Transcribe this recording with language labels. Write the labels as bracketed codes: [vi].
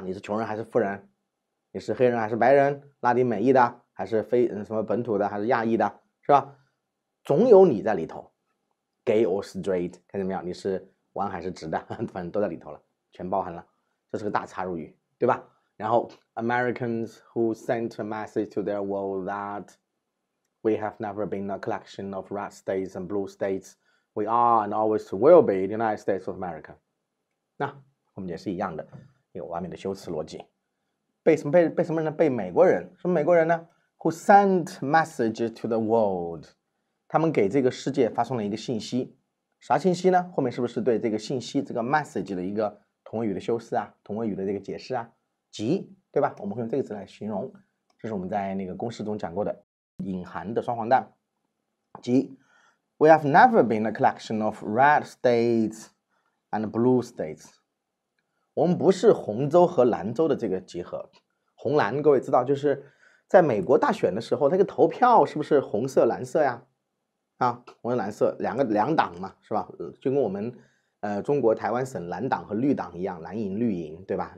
[zh] 你是穷人还是富人？你是黑人还是白人？拉丁美裔的还是非什么本土的还是亚裔的，是吧？总有你在里头 ， [en] gay or straight， [zh] 看见没有？你是弯还是直的？反正都在里头了，全包含了。这是个大插入语，对吧？然后 [en] Americans who sent a message to their world that we have never been a collection of red states and blue states, we are and always will be the United States of America. [zh] 那我们也是一样的，有完美的修辞逻辑。被什么人呢？被美国人。什么美国人呢？ [en] Who sent messages to the world? [zh] 他们给这个世界发送了一个信息。啥信息呢？后面是不是对这个信息这个 message 的一个同位语的修饰啊？同位语的这个解释啊？急，对吧？我们会用这个词来形容，这是我们在那个公式中讲过的隐含的双黄蛋。急 [en] ，We have never been a collection of red states and blue states。 [zh] 我们不是红州和蓝州的这个集合。红蓝，各位知道，就是在美国大选的时候，那个投票是不是红色、蓝色呀？啊，红色、蓝色，两党嘛，是吧？就跟我们。中国台湾省蓝党和绿党一样，蓝营绿营，对吧？